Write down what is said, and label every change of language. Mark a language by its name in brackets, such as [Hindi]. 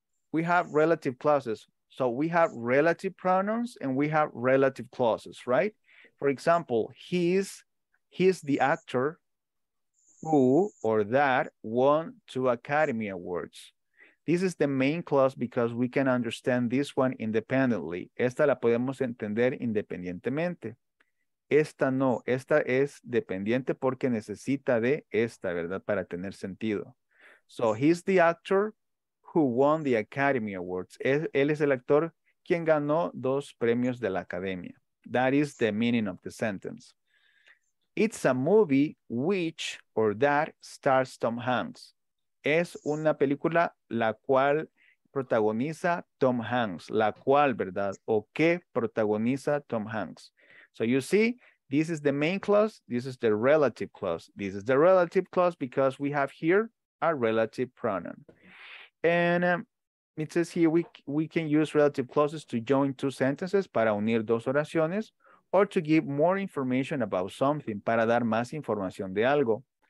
[English] We have relative clauses. So we have relative pronouns and we have relative clauses, right? For example, he's the actor who or that won two Academy Awards. This is the main clause because we can understand this one independently. [Spanish] Esta la podemos entender independientemente. Esta no, esta es dependiente porque necesita de esta, ¿verdad? Para tener sentido. [English] So he's the actor who won the Academy Awards. [Spanish] Él es el actor quien ganó dos premios de la Academia. [English] That is the meaning of the sentence. It's a movie which or that stars Tom Hanks. [Spanish] es una película la cual protagoniza Tom Hanks, la cual, ¿verdad? ¿O qué protagoniza Tom Hanks? [English] So you see, this is the main clause, this is the relative clause. This is the relative clause because we have here a relative pronoun. And it says here we can use relative clauses to join two sentences [Spanish] para unir dos oraciones [English] or to give more information about something, [Spanish] para dar más información de algo.